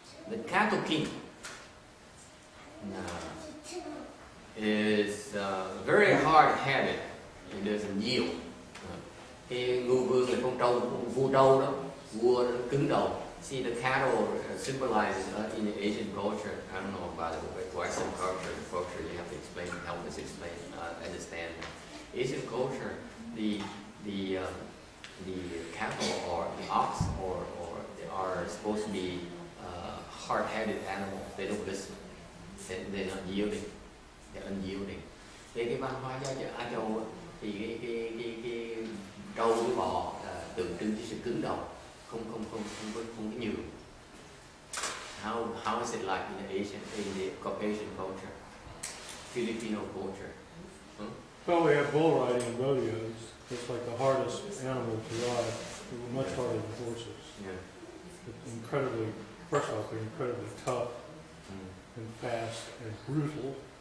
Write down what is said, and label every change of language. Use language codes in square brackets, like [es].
[en] The cattle king is very hard headed. It doesn't yield. [vi] Cái ngưu vương là con trâu, vua trâu đó, vua cứng đầu. [en] See, the cattle symbolizes in the Asian culture, I don't know about the Western culture, the culture you have to explain, help us explain, understand. Asian culture, the cattle or the ox or they are supposed to be hard-headed animals. They don't listen. They're not yielding. They're unyielding. [vi] Thế cái văn hóa giáo dục Á Châu thì cái trâu với bò tượng trưng cho sự cứng đầu. Không có nhiều. [en] How is it like in the Asian, in the Caucasian culture, Filipino culture? Well, we have bull riding and rodeos. It's like the hardest animal to ride. They're much harder than horses. Yeah. It's incredibly, first off, they're incredibly tough and fast and brutal.